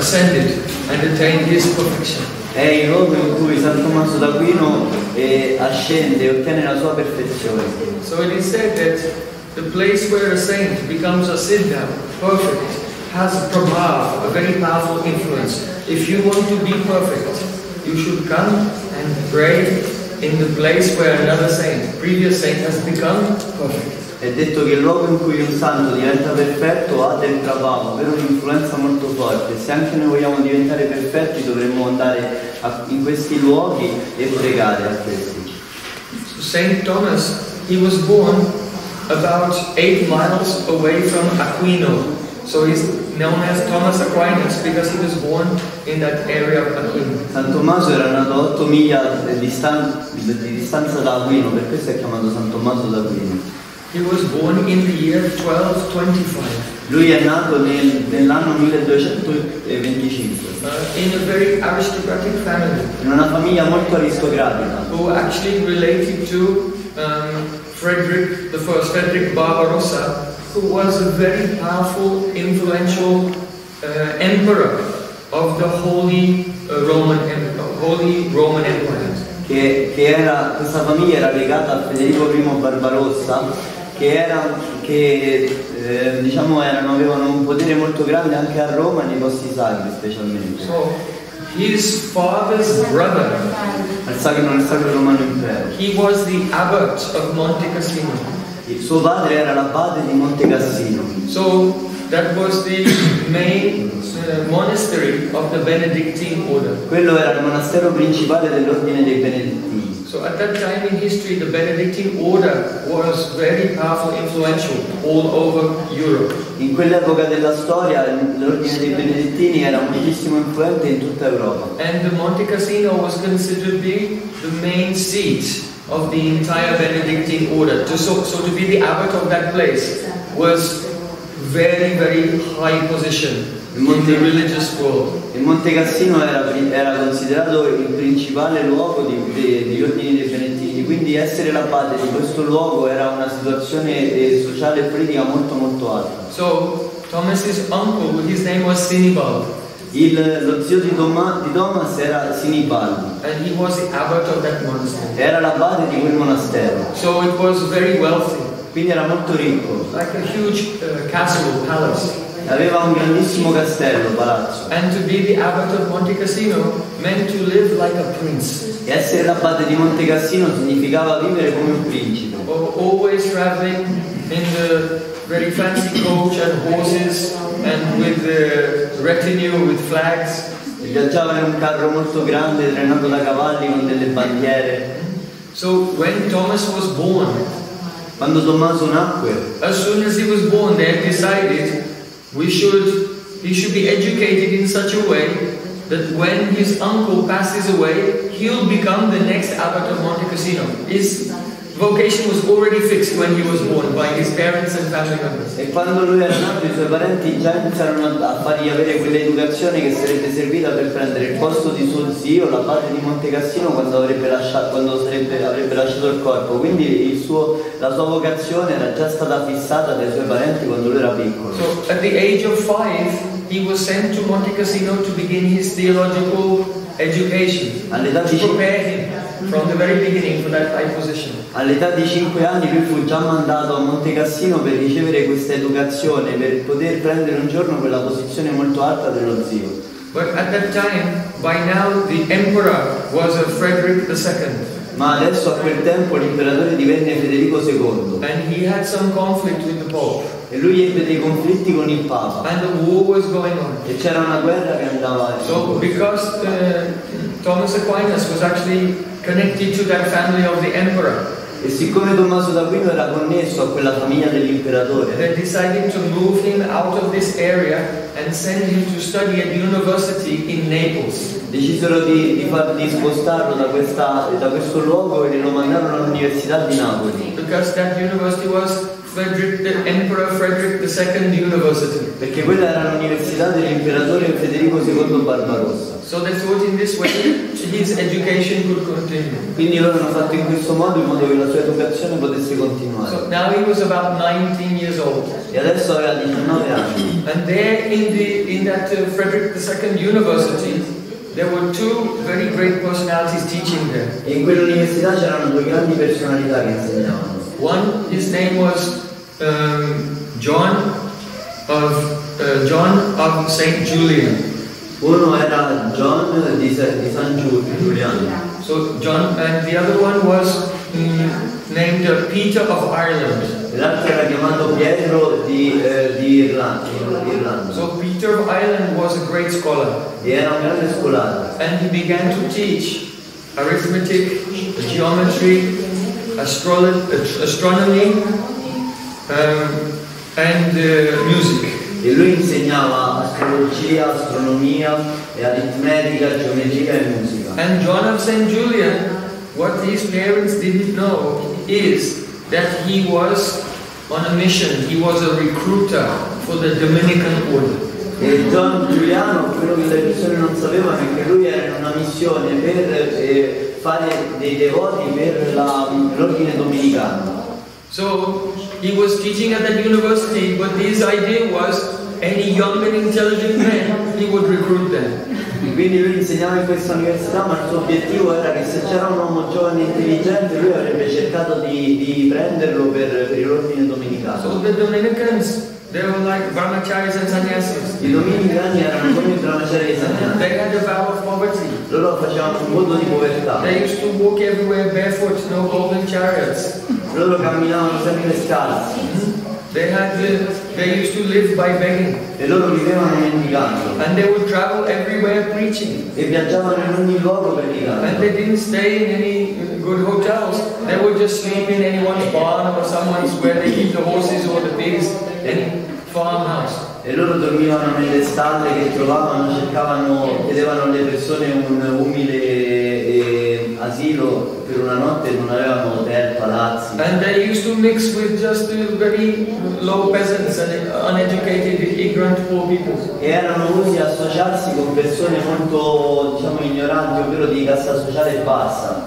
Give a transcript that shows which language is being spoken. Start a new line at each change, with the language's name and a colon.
Italian: È il luogo in cui San Tommaso d'Aquino ascende e ottiene la sua perfezione.
English: So it is said that the place where a saint becomes a siddha, perfect, has a prabhav, a very powerful influence. If you want to be perfect, you should come and pray in the place where another saint, previous saint, has become perfect.
Italian: È detto che il luogo in cui un santo diventa perfetto ha del prabhav, ovvero un'influenza molto forte. Se anche noi vogliamo diventare perfetti, dovremmo andare in questi luoghi e pregare a questi.
English: So Saint Thomas, he was born about 8 miles away from Aquino. So he's known as Thomas Aquinas because he was born in that area of Aquino.
Italian: San Tommaso era nato 8 miglia di distanza da Aquino, per questo è chiamato San Tommaso d'Aquino.
English: He was born in the year 1225.
Italian: Lui è nato nell'anno 1225.
English: In a very aristocratic family.
Italian: In una famiglia molto aristocratica.
English: Who actually related to Frederick the First, Frederick Barbarossa, who was a very powerful, influential emperor of the Holy Roman Empire.
Italian: Che era, questa famiglia era legata a Federico I Barbarossa, che avevano un potere molto grande anche a Roma, nei posti sacri specialmente.
English: So, his father's brother,
Italian: il sacro Romano Impero,
English: he was the abbot of Monte Cassino.
Italian: Il suo padre era l'abate di Monte Cassino.
English: So, that was the main monastery of the Benedictine order.
Italian: Quello era il monastero principale dell'ordine dei Benedettini.
English: So at that time in history, the Benedictine order was very powerful, influential all over Europe.
Italian: In quell'epoca della storia, l'ordine dei Benedettini era moltissimo influente in tutta Europa.
English: And the Monte Cassino was considered to be the main seat of the entire Benedictine order. So to be the abbot of that place was very, very high position in the religious world.
Italian: Il Monte Cassino era considerato il principale luogo di ordini dei Benedettini, quindi essere l'abate di questo luogo era una situazione sociale e politica molto molto alta.
English: So, Thomas's uncle, his name was Sinibaldi.
Italian: Lo zio di Thomas era Sinibaldi.
English: And he was the abbot of that monastery.
Italian: Era l'abate di quel monastero.
English: So it was very wealthy.
Italian: Quindi era molto ricco.
English: Like a huge castle, palace.
Italian: Aveva un grandissimo castello, palazzo.
English: And to be the abbot of Monte Cassino meant to live like a prince.
Italian: E essere l'abate di Monte Cassino significava vivere come un principe.
English: Always traveling in the very fancy coach and horses and with the retinue with flags.
Italian: E viaggiava in un carro molto grande, trainato da cavalli con delle bandiere.
English: So when Thomas was born,
Italian: quando Tommaso nacque,
English: as soon as he was born, they had decided he should be educated in such a way that when his uncle passes away, he'll become the next abbot of Monte Cassino. His vocation was already fixed when he was born by his parents and family members.
Italian: E quando lui era nato, i suoi parenti già iniziarono a fargli avere quell'educazione che sarebbe servita per prendere il posto di suo zio, l'abate di Monte Cassino, quando avrebbe lasciato il corpo. Quindi la sua vocazione era già stata fissata dai suoi parenti quando lui era piccolo.
English: So, at the age of 5, he was sent to Monte Cassino to begin his theological education.
Italian: All'età di 5 anni,
English: from the very beginning for that high position.
Italian: All'età di 5 anni lui fu già mandato a Monte Cassino per ricevere questa educazione, per poter prendere un giorno quella posizione molto alta dello zio.
English: But at that time, by now, the emperor was Frederick II.
Italian: Ma adesso a quel tempo l'imperatore divenne Federico II.
English: And he had some conflict with the Pope.
Italian: E lui ebbe dei conflitti con il Papa.
English: And the war was going on.
Italian: E c'era una guerra che andava.
English: So because Thomas Aquinas was actually connected to that family of the emperor.
Italian: E siccome Tommaso d'Aquino era connesso a quella famiglia dell'imperatore,
English: they decided to move him out of this area and send him to study at university in Naples.
Italian: Decisero di spostarlo da questo luogo e lo mandarono all'università di Napoli.
English: Because that university was Emperor Frederick II University.
Italian: Perché quella era l'università dell'imperatore Federico II Barbarossa.
English: So they thought in this way his education could continue.
Italian: Quindi loro hanno fatto in questo modo in modo che la sua educazione potesse continuare.
English: So now he was about 19 years old.
Italian: E adesso aveva 19 anni.
English: And there in that Frederick II University there were two very great personalities teaching there.
Italian: E in quell'università c'erano due grandi personalità che insegnavano.
English: One, his name was John of Saint Julian.
Italian: Uno era John di San Giuliano.
English: So John, and the other one was named Peter of Ireland.
Italian: L'altro era chiamato Pietro di Irlanda.
English: So Peter of Ireland was a great scholar.
Italian: E era un grande scolaro.
English: And he began to teach arithmetic, geometry, astronomy and music.
Italian: E lui insegnava astrologia, astronomia, aritmetica, geometria e musica.
English: And John of Saint Julian, what his parents didn't know is that he was on a mission. He was a recruiter for the Dominican Order.
Italian: E John Giuliano, quello che le persone non sapevano, è che lui era in una missione per fare dei devoti per l'ordine domenicano.
English: So he was teaching at that university, but his idea was any young and intelligent man he would recruit them.
Italian: Quindi lui insegnava in questa università, ma il suo obiettivo era che se c'era un uomo giovane e intelligente lui avrebbe cercato di prenderlo per l'ordine domenicano.
English: So the Dominicans, they were like brahmacharis and sannyasis.
Italian: I dominicani erano come i brahmacharis e sannyasis.
English: They had a vow of poverty.
Italian: Loro facevano un voto di povertà.
English: They used to walk everywhere barefoot, no golden chariots.
Italian: Loro camminavano sempre scalzi.
English: They used to live by begging.
Italian: E loro vivevano mendicando.
English: And they would travel everywhere preaching.
Italian: E viaggiavano in ogni luogo predicando.
English: And they didn't stay in any good hotels. They would just sleep in anyone's barn or someone's where they keep the horses or the pigs.
Italian: E loro dormivano nelle stalle che trovavano, cercavano, chiedevano alle persone un umile asilo per una notte, non avevano hotel, palazzi.
English: And they used to mix with just very low peasants and uneducated, ignorant, poor people.
Italian: E erano usi a associarsi con persone molto, diciamo, ignoranti, ovvero di cassa sociale bassa.